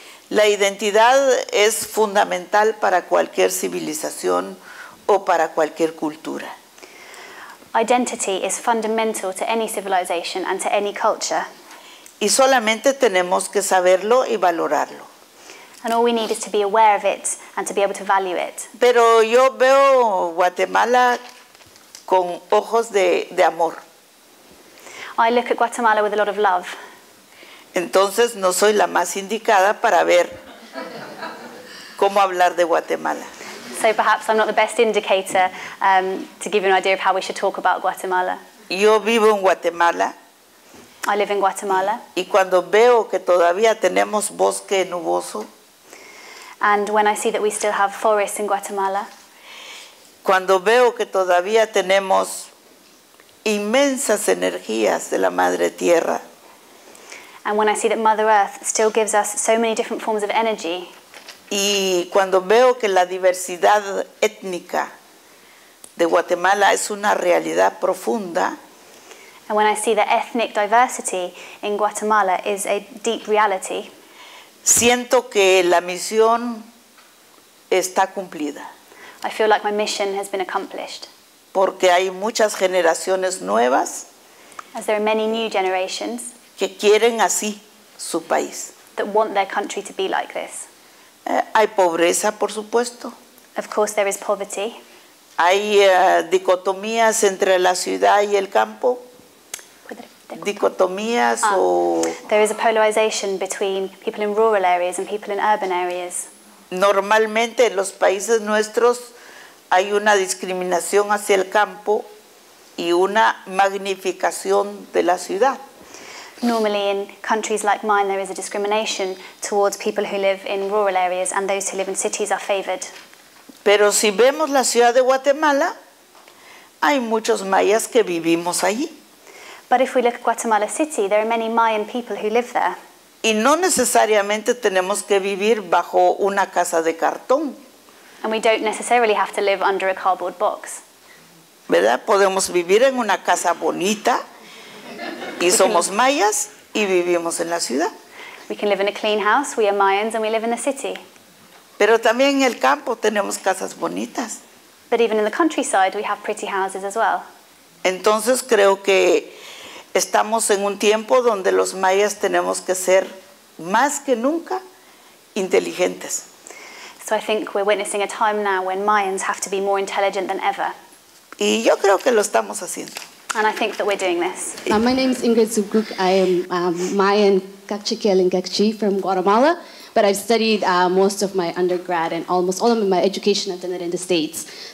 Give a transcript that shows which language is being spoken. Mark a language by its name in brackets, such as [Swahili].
[Spanish] La identidad es fundamental para cualquier civilización o para cualquier cultura. [English] Identity is fundamental to any civilization and to any culture. [Spanish] Y solamente tenemos que saberlo y valorarlo. [English] And all we need is to be aware of it and to be able to value it. [Spanish] Pero yo veo Guatemala con ojos de amor. [English] I look at Guatemala with a lot of love. [Spanish] Entonces no soy la más indicada para ver cómo hablar de Guatemala. [English] So perhaps I'm not the best indicator to give you an idea of how we should talk about Guatemala. [Spanish] Yo vivo en Guatemala. [English] I live in Guatemala. [Spanish] Y cuando veo que todavía tenemos bosque nuboso. [English] And when I see that we still have forests in Guatemala. [Spanish] Cuando veo que todavía tenemos inmensas energías de la Madre Tierra. [English] And when I see that Mother Earth still gives us so many different forms of energy. [Spanish] Y cuando veo que la diversidad étnica de Guatemala es una realidad profunda. [English] And when I see that ethnic diversity in Guatemala is a deep reality. [Spanish] Siento que la misión está cumplida. [English] I feel like my mission has been accomplished. [Spanish] Porque hay muchas generaciones nuevas. [English] As there are many new generations. [Spanish] Que quieren así su país. [English] That want their country to be like this. [Spanish] Hay pobreza, por supuesto. [English] Of course there is poverty. [Spanish] Hay dicotomías entre la ciudad y el campo. Dicotomías o... [English] There is a polarization between people in rural areas and people in urban areas. [Spanish] Normalmente en los países nuestros hay una discriminación hacia el campo y una magnificación de la ciudad. [English] Normally in countries like mine there is a discrimination towards people who live in rural areas and those who live in cities are favored. [Spanish] Pero si vemos la ciudad de Guatemala, hay muchos mayas que vivimos allí. [English] But if we look at Guatemala City, there are many Mayan people who live there. [Spanish] Y no necesariamente tenemos que vivir bajo una casa de cartón. [English] And we don't necessarily have to live under a cardboard box. [Spanish] ¿Verdad? Podemos vivir en una casa bonita y somos mayas y vivimos en la ciudad. [English] We can live in a clean house, we are Mayans, and we live in the city. [Spanish] Pero también en el campo tenemos casas bonitas. [English] But even in the countryside, we have pretty houses as well. [Spanish] Entonces creo que estamos en un tiempo donde los mayas tenemos que ser más que nunca inteligentes. [English] So I think we're witnessing a time now when Mayans have to be more intelligent than ever. [Spanish] Y yo creo que lo estamos haciendo. [English] And I think that we're doing this. My name is Ingrid Zubguk. I am Mayan Kakchikel and Kakchi from Guatemala, but I've studied most of my undergrad and almost all of my education attended in the States.